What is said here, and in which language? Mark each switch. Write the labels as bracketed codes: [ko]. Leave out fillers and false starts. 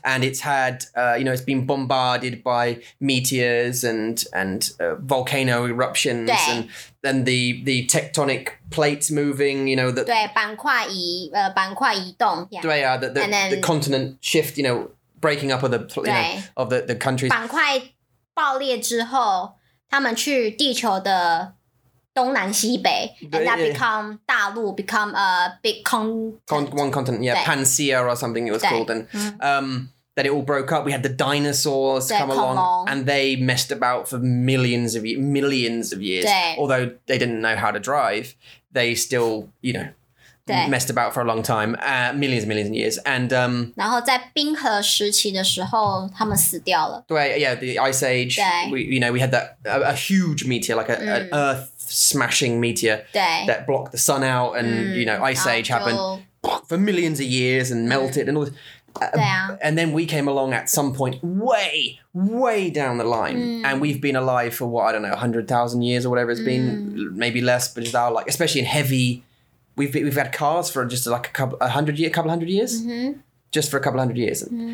[en] And it's had, you know, it's been bombarded by meteors and volcano eruptions and the tectonic plates moving, you know. The continent shift, you know, breaking up of the, you know, of the countries. [zh] 板块爆裂之后,他们去地球的... 东南西北, [en] and that become a big one continent, Pansea or something it was called, and that it all broke up. We had the dinosaurs come along, and they messed about for millions of years. Although they didn't know how to drive, they still, you know, messed about for a long time, millions and millions of years. And [zh] 然后在冰河时期的时候，他们死掉了. 对, [en] yeah, the ice age. We had that a huge meteor, like an earth smashing meteor that blocked the sun out, and you know, ice age happened for millions of years and melted and all this. And then we came along at some point way, way down the line, and we've been alive for what, I don't know, 100,000 years or whatever it's been, maybe less, but just our, like, especially in heavy, we've had cars for just like a couple hundred years, just for a couple hundred years.